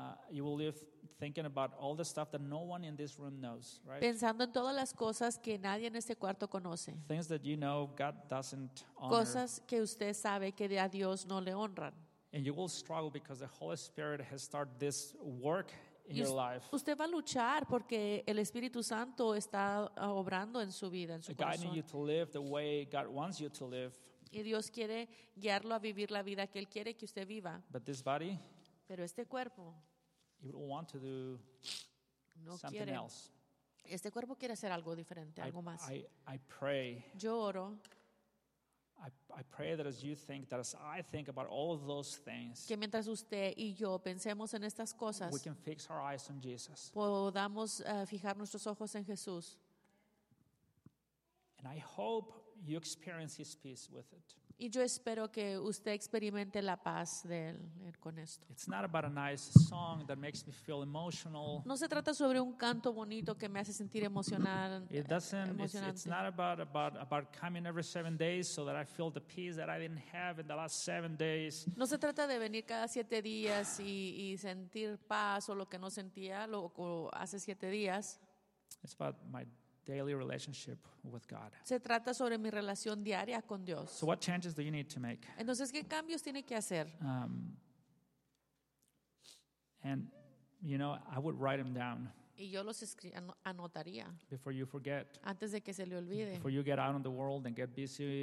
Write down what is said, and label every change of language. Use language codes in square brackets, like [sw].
[en] You will leave thinking about all the stuff that no one in this room knows, right? [es] Pensando en todas las cosas que nadie en este cuarto conoce. [en] Things that you know God doesn't honor. [es] Cosas que usted sabe que a Dios no le honran. [en] And you will struggle because the Holy Spirit has started this work in your life. [es] Usted va a luchar porque el Espíritu Santo está obrando en su vida, en su corazón. [en] Guiding you to live the way God wants you to live. [es] Y Dios quiere guiarlo a vivir la vida que él quiere que usted viva. [en] But this body. [es] Pero este cuerpo [en] you would want to do [es] no [en] something [es] quiere. [en] Else. [es] Este cuerpo quiere hacer algo diferente, algo más. [en] I pray. [es] Yo oro. [en] I pray that as you think, that as I think about all of those things, [es] que mientras usted y yo pensemos en estas cosas, [en] we can fix our eyes on Jesus. [es] Podamos fijar nuestros ojos en Jesús. [en] And I hope you experience his peace with it. [es] Y yo espero que usted experimente la paz de él con esto. [en] It's not about a nice song that makes me feel emotional. [es] No se trata sobre un canto bonito que me hace sentir emocional. [en] It doesn't. It's not about coming every 7 days so that I feel the peace that I didn't have in the last 7 days. [es] No se trata de venir cada 7 días y sentir paz o lo que no sentía lo hace 7 días. [en] It's about my daily relationship with God. [es] Se trata sobre mi relación diaria con Dios. [en] So what changes do you need to make? [es] Entonces, ¿qué cambios tiene que hacer? [en] And You know, I would write them down. [es] Y yo los anotaría. [en] Before you forget. [es] Antes de que se le olvide. [en] Before you get out in the world and get busy.